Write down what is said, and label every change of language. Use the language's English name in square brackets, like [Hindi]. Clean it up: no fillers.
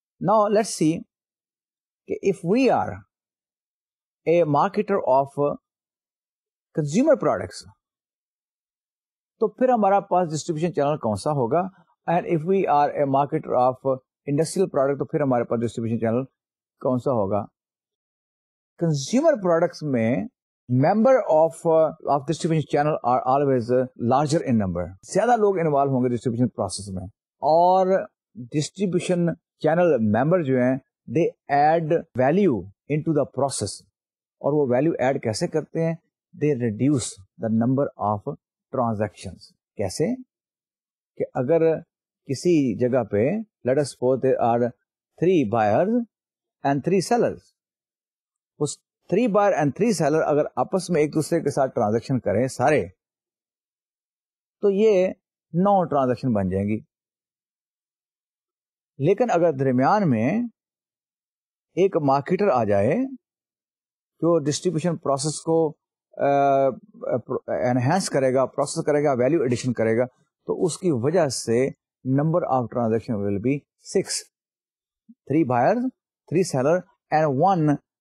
[English] now let's see کہ if we are a marketer of consumer products [Urdu] تو پھر ہمارا پاس ڈسٹریبیوشن چینل کون سا ہوگا [English] And if we are a marketer of industrial product تو پھر ہمارے پاس ڈسٹریبیوشن چینل کون سا ہوگا Consumer products mein member of distribution channel are always larger in number. [Urdu] Zyada log involve honge distribution process mein. [English] Aur distribution channel member jo hain, they add value into the process. [Urdu] Aur wo value add kaise karte hain? [English] They reduce the number of transactions. Kaise? [Urdu] Ke agar kisi jagah pe, [English] let us suppose there are three buyers and three sellers. [Urdu] Three bar and three seller اگر آپس میں ایک دوسرے کے ساتھ transaction کریں سارے تو یہ نو ٹرانزیکشن بن جائیں گی لیکن اگر درمیان میں ایک مارکیٹر آ جائے جو ڈسٹریبیوشن پروسیس کو انہینس کرے گا پروسیس کرے گا ویلیو ایڈیشن کرے گا تو اس کی وجہ سے [English] number of transaction will be six three buyer three seller and one